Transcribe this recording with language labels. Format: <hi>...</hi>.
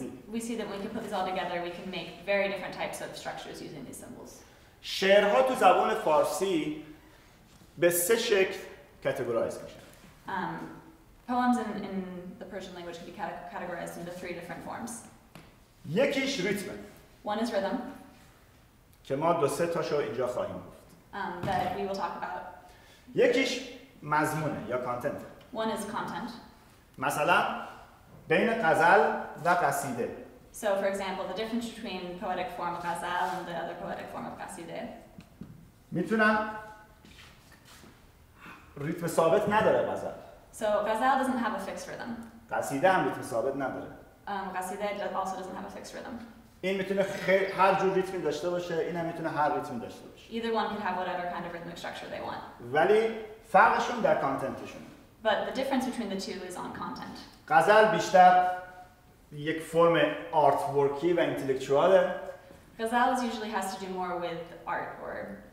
<en>We see that when you put these all together we can make very different types of structures using these symbols.</en> <fa>شعرها تو زبان فارسی به سه شکل کاتگورایز میشن.</fa> <en>Poems in the Persian language can be categorized into three different forms.</en> <fa>یکیش ریتم.</fa> <en>One is rhythm.</en> <fa>که ما دو سه تاشو اینجا خواهیم گفت.</fa> <en>That we will talk about.</en> <fa>یکیش مضمونه یا content.</fa> <en>One is content.</en> <fa>مثلا بین غزل و قصیده.</fa> <en>So for example, the difference between poetic form of غزل and the other poetic form of قصیده.</en> <fa>میتونه ریتم ثابت نداره غزل.</fa> <en>So غزل doesn't have a fixed rhythm.</en> <fa>قصیده هم ریتم ثابت نداره.</fa> <en>قصیده also doesn't have a fixed rhythm.</en> <fa>این میتونه هر جور ریتمی داشته باشه، این هم میتونه هر ریتمی داشته باشه.</fa> <en>Either one can have whatever kind of rhythmic structure they want.</en> <fa>ولی فرقشون در کانتنتشون.</fa> <en>But the difference between the two is on content.</en> <fa>غزل بیشتر یک فرم آرت ورکی و اینتלקچواله.</fa> <en>غزل usually has to do more with art or</en>